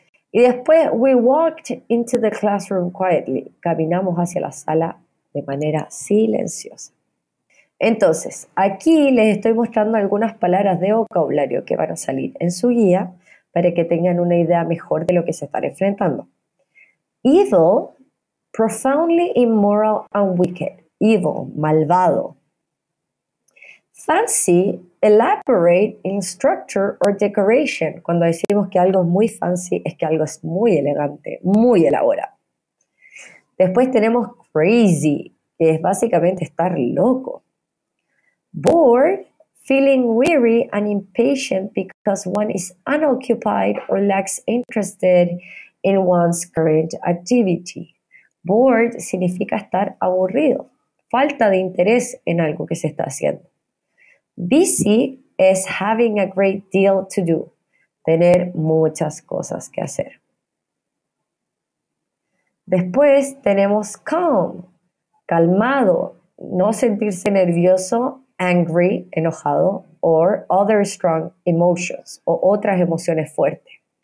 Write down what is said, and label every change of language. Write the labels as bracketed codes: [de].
[es] Y después, [en] we walked into the classroom quietly. [es] Caminamos hacia la sala de manera silenciosa. Entonces, aquí les estoy mostrando algunas palabras de vocabulario que van a salir en su guía para que tengan una idea mejor de lo que se están enfrentando. [en] Evil, profoundly immoral and wicked. Evil, malvado. Fancy, elaborate in structure or decoration. [es] Cuando decimos que algo es muy fancy, es que algo es muy elegante, muy elaborado. Después tenemos crazy, que es básicamente estar loco. [en] Bored, feeling weary and impatient because one is unoccupied or lacks interest in one's current activity. [es] Bored significa estar aburrido, falta de interés en algo que se está haciendo. [en] Busy is having a great deal to do. [es] Tener muchas cosas que hacer. Después tenemos calm, calmado, no sentirse nervioso, angry, enojado, [en] or other strong emotions, [es] o otras emociones fuertes.